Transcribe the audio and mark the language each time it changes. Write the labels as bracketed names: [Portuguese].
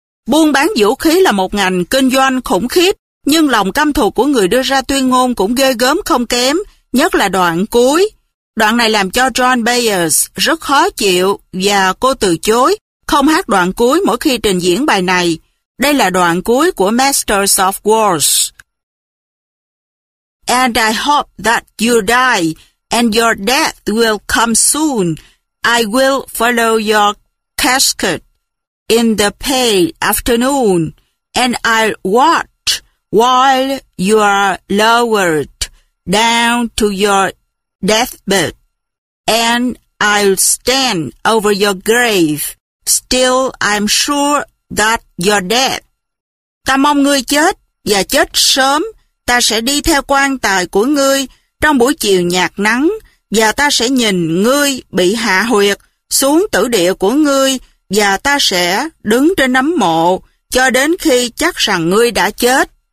[Vietnamese] Buôn bán vũ khí là một ngành kinh doanh khủng khiếp, nhưng lòng căm thù của người đưa ra tuyên ngôn cũng ghê gớm không kém, nhất là đoạn cuối. Đoạn này làm cho John Bayers rất khó chịu và cô từ chối không hát đoạn cuối mỗi khi trình diễn bài này. Đây là đoạn cuối của Masters of Wars. [English] And I hope that you die and your death will come soon. I will follow your casket in the pale afternoon. and I watch while you are lowered down to your deathbed, and I'll stand over your grave. Still, I'm sure that you're dead. [Vietnamese] Ta mong ngươi chết và chết sớm. Ta sẽ đi theo quan tài của ngươi trong buổi chiều nhạt nắng, và ta sẽ nhìn ngươi bị hạ huyệt xuống tử địa của ngươi, và ta sẽ đứng trên nấm mộ cho đến khi chắc rằng ngươi đã chết.